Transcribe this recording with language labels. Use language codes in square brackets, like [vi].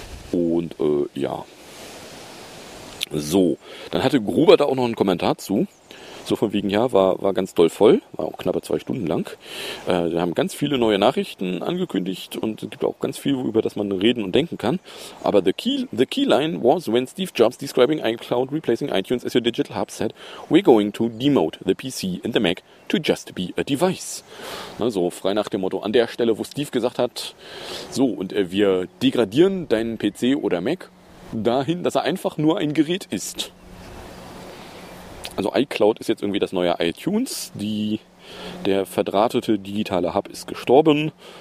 [de] Und ja. So, dann hatte Gruber da auch noch einen Kommentar zu. So von wegen, ja, war ganz doll voll, war auch knappe 2 Stunden lang. Wir haben ganz viele neue Nachrichten angekündigt und es gibt auch ganz viel, über das man reden und denken kann. Aber [en] the key line was, when Steve Jobs describing iCloud replacing iTunes as your digital hub said, we're going to demote the PC and the Mac to just be a device. [de] Also frei nach dem Motto, an der Stelle, wo Steve gesagt hat, so, und wir degradieren deinen PC oder Mac dahin, dass er einfach nur ein Gerät ist. Also iCloud ist jetzt irgendwie das neue iTunes. Der verdrahtete digitale Hub ist gestorben.